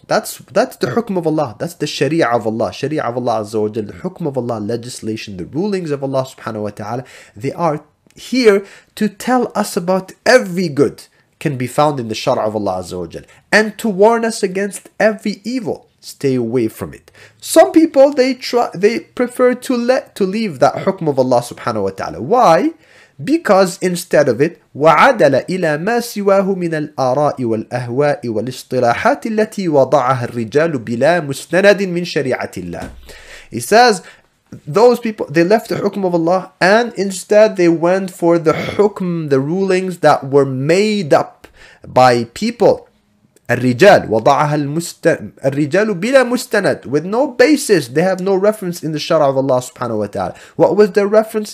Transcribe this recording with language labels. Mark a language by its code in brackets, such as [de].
[en] That's the hukm of Allah. That's the sharia of Allah. Sharia of Allah Azza wa Jal, the hukm of Allah, legislation, the rulings of Allah subhanahu wa ta'ala, they are here to tell us about every good can be found in the shara of Allah Azza wa Jal, and to warn us against every evil. Stay away from it. Some people, they prefer to leave that hukm of Allah subhanahu wa ta'ala. Why? Because instead of it, [ar] وَعَدَلَ إِلَى مَا سِوَاهُ مِنَ الْآرَاءِ وَالْأَهْوَاءِ وَالْإِصْطِلَاحَاتِ الَّتِي وَضَعَهَا الرِّجَالُ بِلَا مُسْنَنَدٍ مِنْ شَرِيعَةِ اللَّهِ. [en] He says, those people, they left the hukm of Allah, and instead they went for the hukm, the rulings that were made up by people. [ar] الرجال وضعها الرجال بلا مستند, [en] with no basis, they have no reference in the شرع of Allah subhanahu wa ta'ala. What was their reference?